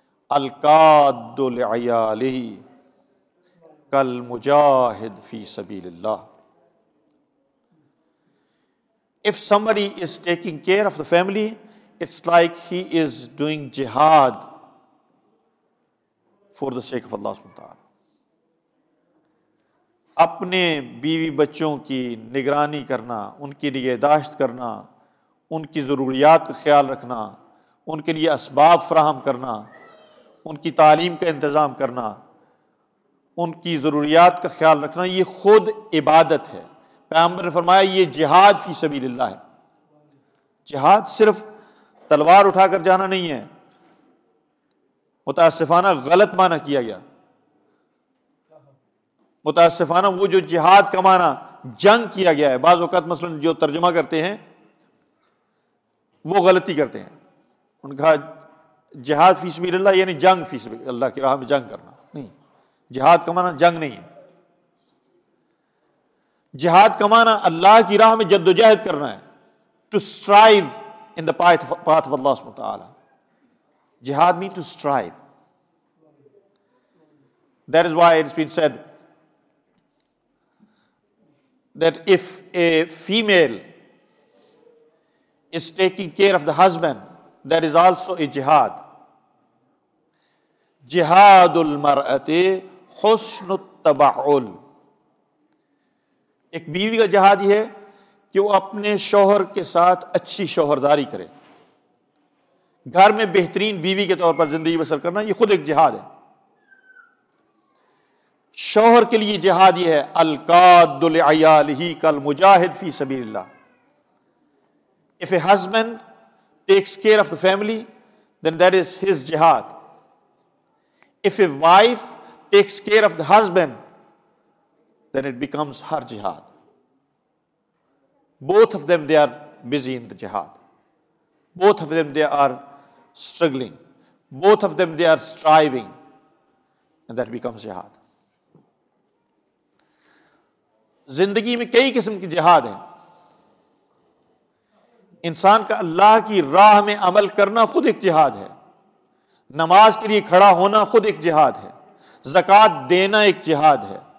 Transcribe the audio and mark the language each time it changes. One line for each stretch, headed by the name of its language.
Arabic: Al-qaddu li'ayalihi kal-mujahid fi sabilillah.
English: If somebody is taking care of the family, it's like he is doing jihad for the sake of Allah subhanahu wa ta'ala.
Urdu: اپنے بیوی بچوں کی نگرانی کرنا، ان کی نگہداشت کرنا، ان کی ضروریات کا خیال رکھنا، ان کے لیے اسباب فراہم کرنا، ان کی تعلیم کا انتظام کرنا، ان کی ضروریات کا خیال رکھنا، یہ خود عبادت ہے. پیغمبر نے فرمایا یہ جہاد فی سبیل اللہ ہے. جہاد صرف تلوار اٹھا کر جانا نہیں ہے، متاسفانہ غلط معنی کیا گیا. متاسفانہ وہ جو جہاد کا معنی جنگ کیا گیا ہے، بعض اوقات مثلا جو ترجمہ کرتے ہیں وہ غلطی کرتے ہیں. ان کا جہاد فی سبیل اللہ یعنی جنگ فی سبیل اللہ کی راہ میں جنگ کرنا، نہیں. جہاد کا معنی جنگ نہیں ہے. جہاد کا معنی اللہ کی راہ میں جد و جہد کرنا ہے،
English: To strive in the path of Allah سبحانہ وتعالی. جہاد means to strive. That is why it's been said that if a female is taking care of the husband, that is also a jihad.
Arabic: جہاد المرأت حسن التبعل.
Urdu: ایک بیوی کا جہاد یہ ہے کہ وہ اپنے شوہر کے ساتھ اچھی شوہرداری کرے، گھر میں بہترین بیوی کے طور پر زندگی بسر کرنا، یہ خود ایک جہاد ہے. شوہر کے لیے جہاد یہ ہے
Arabic: القاد لعیالہ کالمجاہد فی سبیل اللہ.
English: If a husband takes care of the family, then that is his jihad. If a wife takes care of the husband, then it becomes her jihad. Both of them, they are busy in the jihad. Both of them, they are struggling. Both of them, they are striving. And that becomes jihad.
Urdu: زندگی میں کئی قسم کے جہاد ہیں. انسان کا اللہ کی راہ میں عمل کرنا خود ایک جہاد ہے. نماز کے لیے کھڑا ہونا خود ایک جہاد ہے. زکوٰۃ دینا ایک جہاد ہے.